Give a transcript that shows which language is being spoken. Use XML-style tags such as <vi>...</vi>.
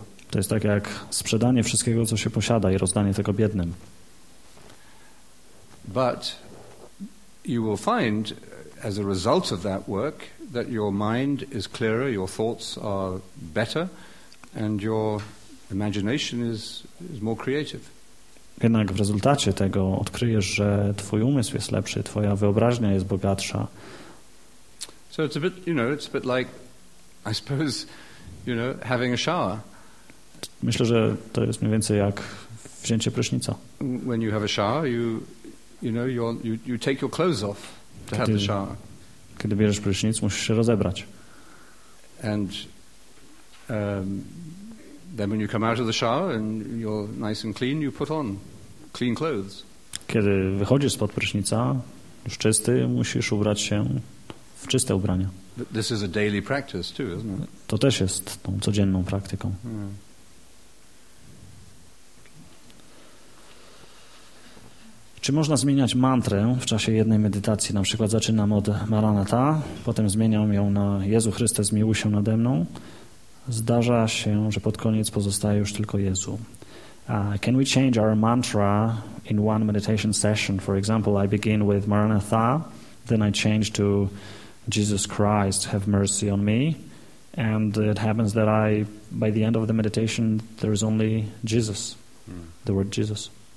<pl>To jest tak jak sprzedanie wszystkiego, co się posiada i rozdanie tego biednym.</pl> <en>But you will find as a result of that work that your mind is clearer, your thoughts are better and your imagination is more creative.</en> <pl>Jednak w rezultacie tego odkryjesz, że twój umysł jest lepszy, twoja wyobraźnia jest bogatsza.</pl> <en>So it's a bit, you know, it's a bit like, I suppose, you know, having a shower.</en> <pl>Myślę, że to jest mniej więcej jak wzięcie prysznica.</pl> <en>When you have a shower, you take your clothes off to have the shower.</en> <pl>Kiedy bierzesz prysznic, musisz się rozebrać.</pl> <en>And then when you come out of the shower and you're nice and clean, you put on clean clothes.</en> <pl>Kiedy wychodzisz spod prysznica, już czysty, musisz ubrać się w czyste ubrania.</pl> <en>This is a daily practice too, isn't it?</en> <pl>To też jest tą codzienną praktyką.</pl> <en>Yeah.</en> <pl>Czy można zmieniać mantrę w czasie jednej medytacji? Na przykład zaczynam od Maranatha, potem zmieniam ją na Jezu Chryste, zmiłuj się nade mną. Zdarza się, że pod koniec pozostaje już tylko Jezu.</pl> <en>Can we change our mantra in one meditation session? For example, I begin with Maranatha, then I change to Jesus Christ, have mercy on me. And it happens that I, by the end of the meditation, there is only Jesus, the word Jesus.</en>